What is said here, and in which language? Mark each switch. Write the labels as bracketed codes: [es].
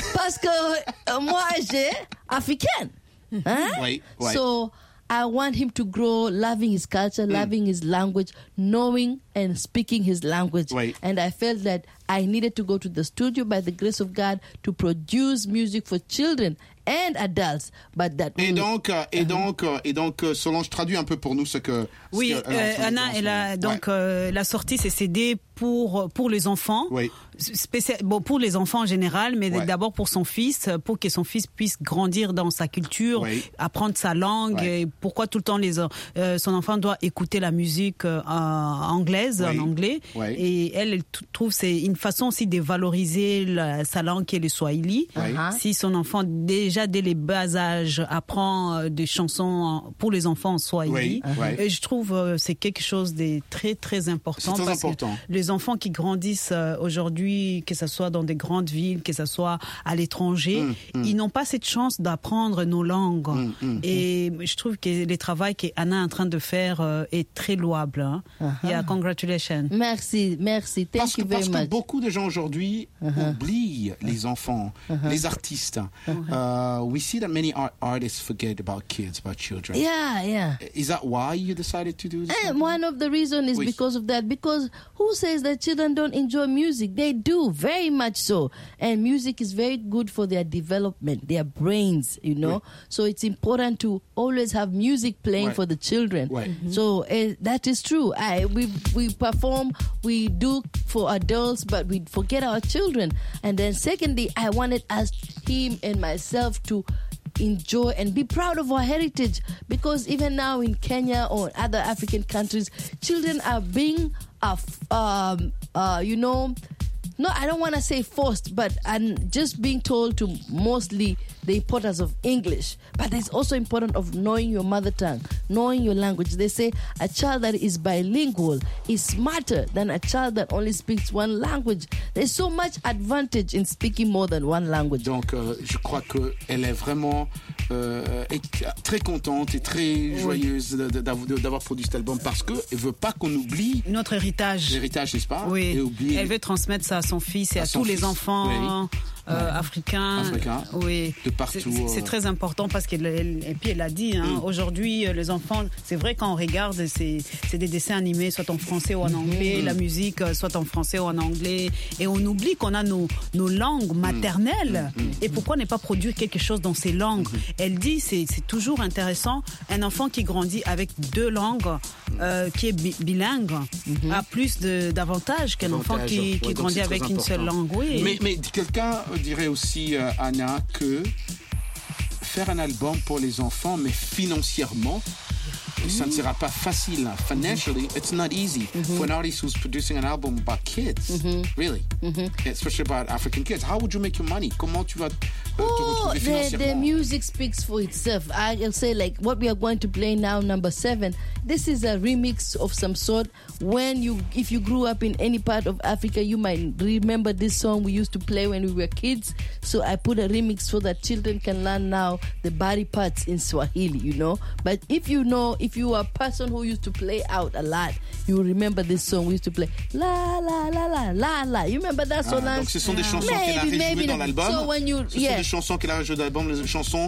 [fr] Parce que moi, j'ai africain. Hein? Oui. [en] So I want him to grow loving his culture, loving his language, knowing and speaking his language. Right. And I felt that I needed to go to the studio by the grace of God to produce music for children and adults. But that [fr] et donc, Solange, traduit un peu pour nous ce que... Oui, Anna, elle a sorti ses CD pour les enfants. Oui. Pour les enfants en général, mais d'abord pour son fils, pour que son fils puisse grandir dans sa culture, apprendre sa langue. Et pourquoi tout le temps son enfant doit écouter la musique anglaise, en anglais. Oui. Et elle trouve que c'est une façon aussi de valoriser sa langue qui est le Swahili. Oui. Si son enfant, déjà dès les bas âges, apprend des chansons pour les enfants en Swahili. Oui. Et je trouve que c'est quelque chose de très, très important. C'est très important. Que les enfants qui grandissent aujourd'hui, que ce soit dans des grandes villes, que ce soit à l'étranger, ils n'ont pas cette chance d'apprendre nos langues. Je trouve que le travail qu'Anna est en train de faire est très louable. [en] Congratulations. [fr] Merci. [en] Thank you very much. [fr] Parce que beaucoup de gens aujourd'hui oublient les enfants, les artistes. [en] We see that many artists forget about kids, about children. Yeah. Is that why you decided to do this? One of the reasons is because of that. Because who says that children don't enjoy music? They do, very much so. And music is very good for their development, their brains, So it's important to always have music playing for the children. So that is true. We perform, we do for adults, but we forget our children. And then secondly, I wanted us, him and myself, to enjoy and be proud of our heritage. Because even now in Kenya or other African countries, children are being, No, I don't want to say forced, but I'm just being told to mostly the importance of English. But it's also important of knowing your mother tongue, knowing your language. They say a child that is bilingual is smarter than a child that only speaks one language. There's so much advantage in speaking more than one language. [fr] Donc, je crois que elle est vraiment très contente et très joyeuse d'avoir produit cet album parce que elle veut pas qu'on oublie notre héritage. L'héritage, n'est-ce pas? Oui. Elle veut transmettre ça à son fils et à tous les enfants. Africains, de partout. C'est très important parce qu'elle a dit, aujourd'hui, les enfants, c'est vrai quand on regarde, c'est des dessins animés, soit en français ou en anglais, la musique, soit en français ou en anglais, et on oublie qu'on a nos langues maternelles. Et pourquoi ne pas produire quelque chose dans ces langues? Elle dit, c'est toujours intéressant, un enfant qui grandit avec deux langues, qui est bilingue, a plus d'avantages qu'un enfant qui grandit avec une seule langue. Mais quelqu'un dirait aussi, Anna, que faire un album pour les enfants, mais financièrement, ça ne sera pas facile. [en] Financially, it's not easy for an artist who's producing an album about kids, really, especially about African kids. How would you make your money? [fr] Comment tu vas te retrouver financièrement? [en] The music speaks for itself. I'll say, like, what we are going to play now, number 7, this is a remix of some sort. If you grew up in any part of Africa, you might remember this song we used to play when we were kids. So I put a remix so that children can learn now the body parts in Swahili, But if you are a person who used to play out a lot, you remember this song we used to play. La, la, la, la, la, la. You remember that song? [fr] Donc ce sont des chansons qu'elle a rejouées dans l'album. [en] So when you, [fr] sont des chansons qu'elle a rejouées dans l'album, les chansons...